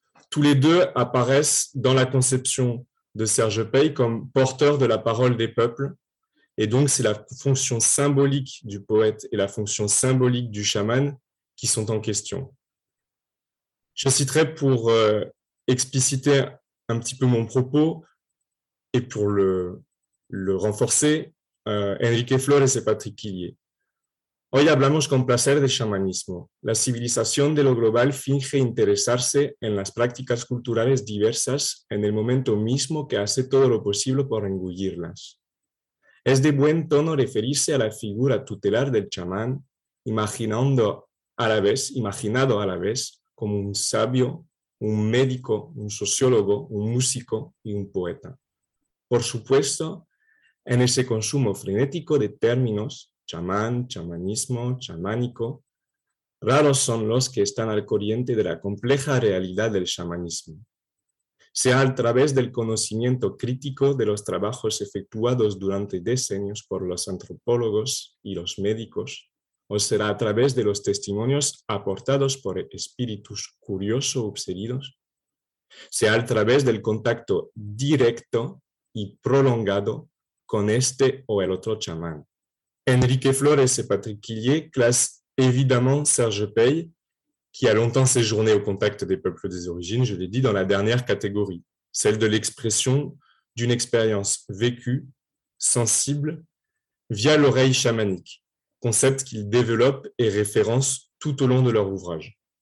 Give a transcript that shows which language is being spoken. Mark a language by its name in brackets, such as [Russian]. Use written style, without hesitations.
[French] Tous les deux apparaissent dans la conception de Serge Pey comme porteurs de la parole des peuples, et donc c'est la fonction symbolique du poète et la fonction symbolique du chaman qui sont en question. Je citerai pour expliciter un petit peu mon propos et pour le renforcer, Enrique Flores et Patrick Quillier. [Spanish] Hoy hablamos con placer de chamanismo. La civilización de lo global finge interesarse en las prácticas culturales diversas en el momento mismo que hace todo lo posible por engullirlas. Es de buen tono referirse a la figura tutelar del chamán, imaginado a la vez como un sabio, un médico, un sociólogo, un músico y un poeta. Por supuesto, en ese consumo frenético de términos, chamán, chamanismo, chamánico, raros son los que están al corriente de la compleja realidad del chamanismo. Sea a través del conocimiento crítico de los trabajos efectuados durante decenios por los antropólogos y los médicos, o será a través de los testimonios aportados por espíritus curiosos obsedidos, sea a través del contacto directo y prolongado con este o el otro chamán. [French] Enrique Flores et Patrick Quillier classent évidemment Serge Peille, qui a longtemps séjourné au contact des peuples des origines, je l'ai dit, dans la dernière catégorie, celle de l'expression d'une expérience vécue, sensible, via l'oreille chamanique, concept qu'ils développent et référencent tout au long de leur ouvrage.